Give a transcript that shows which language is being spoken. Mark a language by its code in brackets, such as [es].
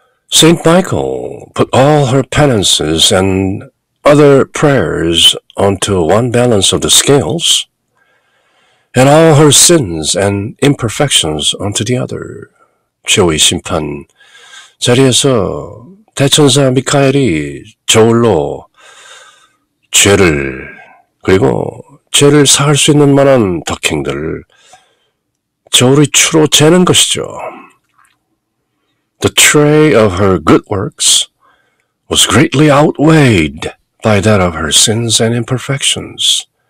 [en] Saint Michael put all her penances and other prayers onto one balance of the scales, and all her sins and imperfections onto the other. [ko] 최후의 심판 자리에서 대천사 미카엘이 저울로 죄를 그리고 죄를 사할 수 있는 만한 덕행들을 저울의 추로 재는 것이죠. [en] The tray of her good works was greatly outweighed by that of her sins and imperfections.